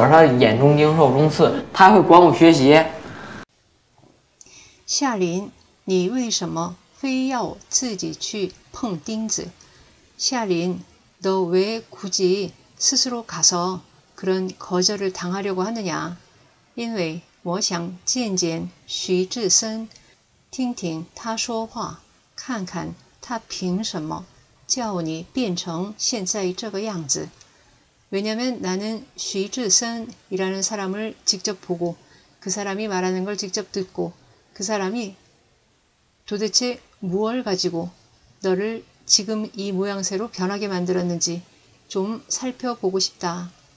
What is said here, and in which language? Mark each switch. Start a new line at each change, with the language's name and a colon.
Chinese: 更何况我是眼中钉受中刺，他会管我学习。夏琳，你为什么非要自己去碰钉子？
Korean: 夏琳, 너 왜 굳이 스스로 가서 그런 거절을 당하려고 하느냐?
Chinese: 因为我想见见徐志森，听听他说话，看看他凭什么叫你变成现在这个样子。
Korean: 왜냐면 나는 徐志森이라는 사람을 직접 보고 그 사람이 말하는 걸 직접 듣고 그 사람이 도대체 무엇을 가지고 너를 지금 이 모양새로 변하게 만들었는지 좀 살펴보고 싶다.